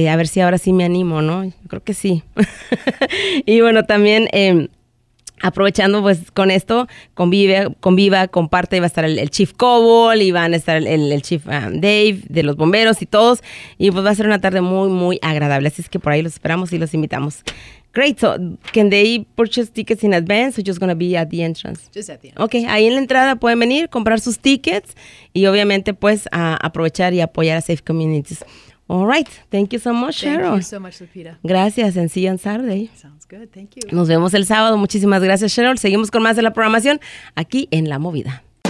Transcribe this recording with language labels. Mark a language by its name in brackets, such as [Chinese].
[Spanish] A ver si ahora sí me animo, ¿no? Yo creo que sí. Y bueno, también aprovechando pues con esto, conviva, comparte, va a estar el Chief Cobol y van a estar el Chief Dave de los bomberos y todos, y pues va a ser una tarde muy muy agradable, así es que por ahí los esperamos y los invitamos. [English] Great, so can they purchase tickets in advance or just going to be at the entrance? Just at the entrance. [Spanish] Okay, ahí en la entrada pueden venir, comprar sus tickets y obviamente pues a aprovechar y apoyar a Safe Communities. [English] All right. Thank you so much, Cheryl. Thank you so much, Lupita. Gracias. And see you on Saturday. Sounds good. Thank you. [Spanish] Nos vemos el sábado. Muchísimas gracias, Cheryl. Seguimos con más de la programación aquí en La Movida.